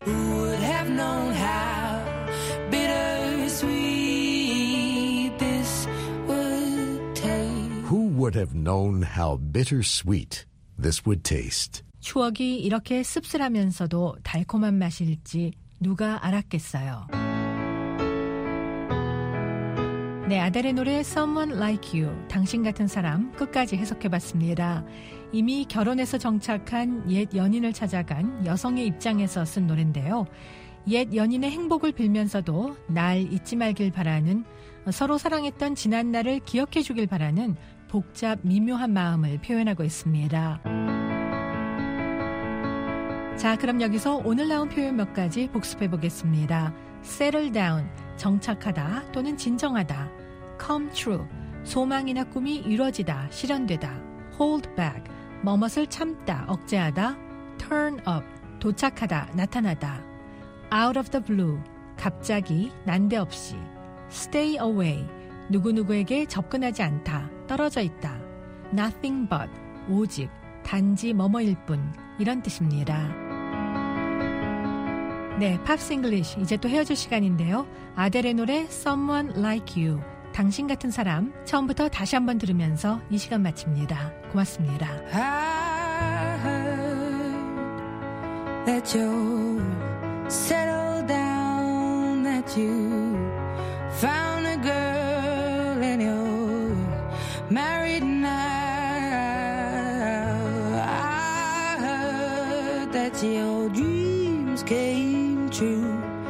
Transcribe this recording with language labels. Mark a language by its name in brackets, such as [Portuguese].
[English] Who would have known how bittersweet this would taste? Who would have known how bittersweet this would taste? [Korean] 추억이 이렇게 씁쓸하면서도 달콤한 맛일지 누가 알았겠어요. 네, 아델의 노래 Someone Like You, 당신 같은 사람 끝까지 해석해봤습니다. 이미 결혼해서 정착한 옛 연인을 찾아간 여성의 입장에서 쓴 노래인데요. 옛 연인의 행복을 빌면서도 날 잊지 말길 바라는, 서로 사랑했던 지난 날을 기억해 주길 바라는 복잡 미묘한 마음을 표현하고 있습니다. 자, 그럼 여기서 오늘 나온 표현 몇 가지 복습해 보겠습니다. [English] Settle down, [Korean] 정착하다 또는 진정하다. [English] Come true, [Korean] 소망이나 꿈이 이루어지다, 실현되다. [English] Hold back, [Korean] 머뭇을 참다, 억제하다. [English] Turn up, [Korean] 도착하다, 나타나다. [English] Out of the blue, [Korean] 갑자기, 난데없이. [English] Stay away, [Korean] 누구누구에게 접근하지 않다, 떨어져 있다. [English] Nothing but, [Korean] 오직, 단지 뭐뭐일 뿐, 이런 뜻입니다. 네, Pops English, 이제 또 헤어질 시간인데요. 아델의 노래 Someone Like You, 당신 같은 사람, 처음부터 다시 한번 들으면서 이 시간 마칩니다. 고맙습니다. [English] I heard that you settled down, that you found a girl and you're married now. I heard that your dreams came true.